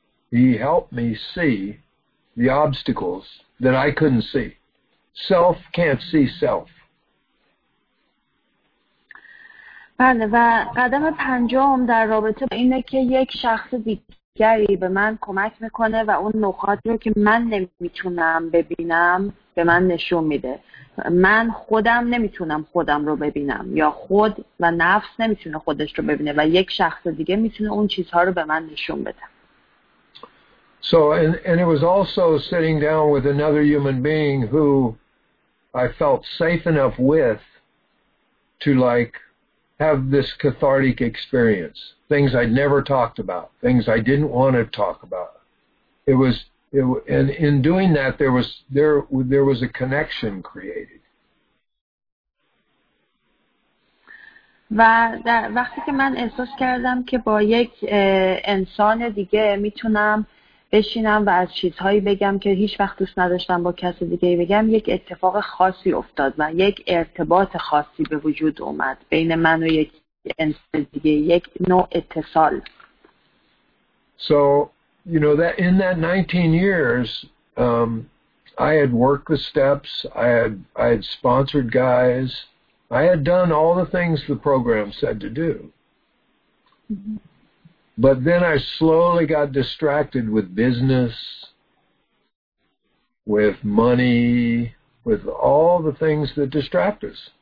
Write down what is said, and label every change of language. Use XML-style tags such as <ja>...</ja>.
<en>He helped me see the obstacles that I couldn't see. Self can't see self.</en> <fa>بله و قدم پنجم در رابطه با اینه که یک شخص دیگری به من کمک میکنه و اون نقاط رو که من نمیتونم ببینم به من نشون میده. من خودم نمیتونم خودم رو ببینم یا خود و نفس نمیتونه خودش رو ببینه و یک شخص دیگه میتونه اون چیزها رو به من نشون بده.</fa> <en>So and it was also sitting down with another human being who I felt safe enough with to like have this cathartic experience. Things I'd never talked about. Things I didn't want to talk about. It was, it, and in doing that, there was a connection created.</en> <fa>و در وقتی که من احساس کردم که با یک انسان دیگه میتونم بشینم و از چیزهایی بگم که هیچ وقت دوست نداشتم با کسی دیگه بگم یک اتفاق خاصی افتاد و یک ارتباط خاصی به وجود اومد بین من و یک انسان دیگه یک نوع اتصال.</fa> <en>So, you know, that in that 19 years I had worked the steps, I had sponsored guys, I had done all the things the program said to do. But then I slowly got distracted with business, with money, with all the things that distract us.</en>